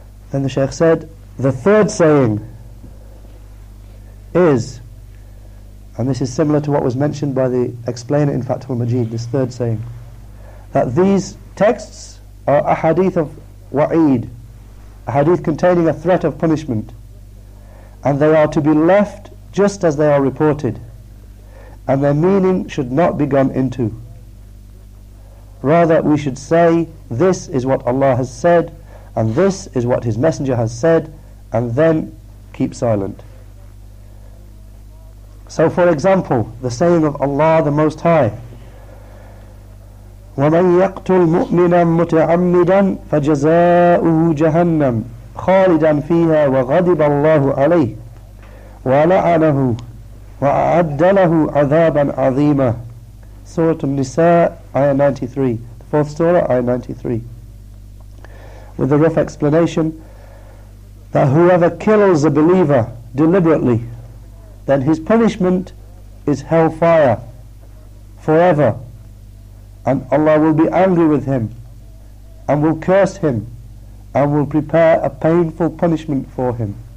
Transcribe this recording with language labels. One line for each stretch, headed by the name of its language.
English: Then the Shaykh said, the third saying is, and this is similar to what was mentioned by the explainer in Fathul Majid, this third saying, that these texts are a hadith of wa'id, a hadith containing a threat of punishment, and they are to be left just as they are reported, and their meaning should not be gone into. Rather, we should say, this is what Allah has said, and this is what His Messenger has said, and then keep silent. So, for example, the saying of Allah the Most High,
Arabic: وَمَنْ يَقْتُلْ مُؤْمِنًا مُتَعَمِّدًا فَجَزَاؤُهُ جَهَنَّمْ خَالِدًا فِيهَا وَغَضِبَ اللَّهُ عَلَيْهِ وَلَعَنَهُ وَأَعَدَّ لَهُ عَذَابًا عَظِيمًا.
English: Surah An-Nisa, Ayah 93, the fourth surah, Ayah 93, with a rough explanation that whoever kills a believer deliberately, then his punishment is hellfire forever, and Allah will be angry with him and will curse him and will prepare a painful punishment for him.